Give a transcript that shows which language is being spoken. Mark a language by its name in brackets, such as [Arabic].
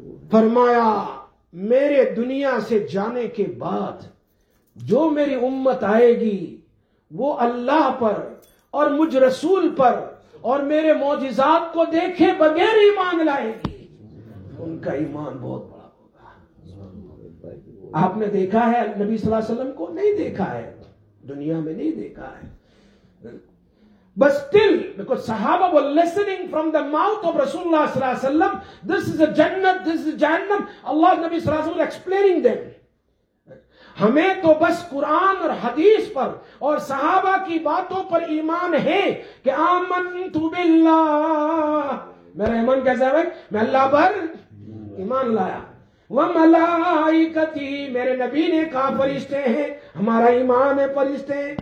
[Urdu] فرمایا میرے دنیا سے جانے کے بعد جو میری امت آئے گی وہ اللہ پر اور مجھ رسول پر اور میرے معجزات کو دیکھے بغیر ایمان لائے گی ان کا ایمان بہت بڑا ہوگا. آپ نے دیکھا ہے نبی صلی اللہ علیہ وسلم کو؟ نہیں دیکھا ہے, دنیا میں نہیں دیکھا ہے. [English] But still, because sahaba were listening from the mouth of Rasulullah sallallahu alaihi wasallam, this is a jannat, this is a jahannam, Allah Nabi sallallahu alaihi wasallam explaining them. [Urdu] ہمیں تو بس قرآن اور حدیث پر اور صحابہ کی باتوں پر ایمان ہے کہ آمنت باللہ, میرا ایمان کیسا ہے بھائی, میں اللہ پر ایمان لایا, وملائکتی میرے نبی نے کہا فرشتے ہیں ہمارا ایمان ہے فرشتے,